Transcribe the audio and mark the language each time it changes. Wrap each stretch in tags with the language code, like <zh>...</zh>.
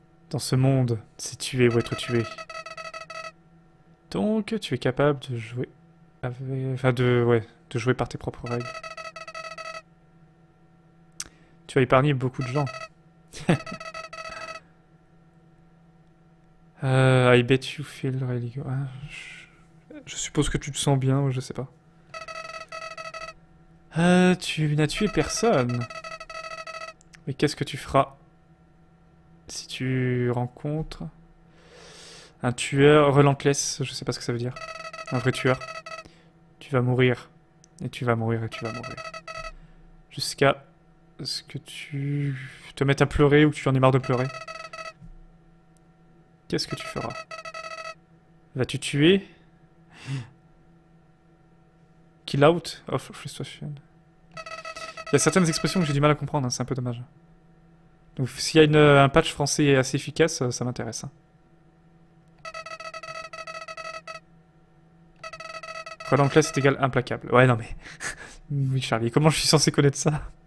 <fr>Dans ce monde, c'est tuer ou être tué. Donc, tu es capable de jouer avec... Enfin, de... Ouais, de jouer par tes propres règles. Tu as épargné beaucoup de gens.</fr> <en>I bet you feel really good.</en> <fr>Ouais, je suppose que tu te sens bien, je sais pas. Tu n'as tué personne. Mais qu'est-ce que tu feras si tu rencontres un tueur relentless, je sais pas ce que ça veut dire. Un vrai tueur. Tu vas mourir. Et tu vas mourir et tu vas mourir. Jusqu'à ce que tu te mettes à pleurer ou que tu en aies marre de pleurer. Qu'est-ce que tu feras? Vas-tu tuer?</fr> <en>Kill out of frustration.</en> <fr>Il y a certaines expressions que j'ai du mal à comprendre, hein, c'est un peu dommage. Donc s'il y a un patch français assez efficace, ça m'intéresse. Hein. Relentless est égal implacable. Ouais, non mais... oui, Charlie, comment je suis censé connaître ça?</fr>